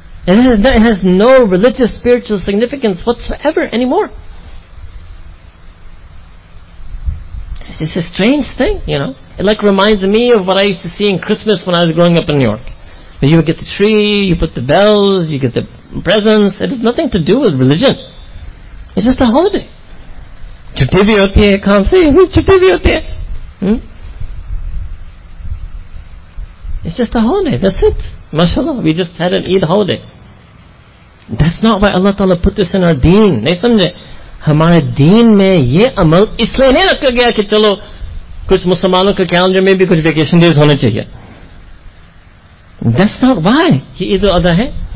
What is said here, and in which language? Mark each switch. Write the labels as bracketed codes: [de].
[en] And that has no religious, spiritual significance whatsoever anymore. It's a strange thing, you know. It like reminds me of what I used to see in Christmas when I was growing up in New York. But you would get the tree, you put the bells, you get the presents. It has nothing to do with religion. It's just a holiday. [ur] چھٹی بھی ہوتی ہے کام سے چھٹی بھی ہوتی ہے [en] It's just a holiday. That's it. MashaAllah. We just had an Eid holiday. That's not why Allah Ta'ala put this in our deen. [ur] نہیں سمجھے ہمارے دین میں یہ عمل اس لیے نہیں رکھا گیا کہ چلو کچھ مسلمانوں کے کیلنڈر میں بھی کچھ ویکیشن ڈیز ہونے چاہیے [en] That's not why [ur] یہ عید الاضحیٰ ہے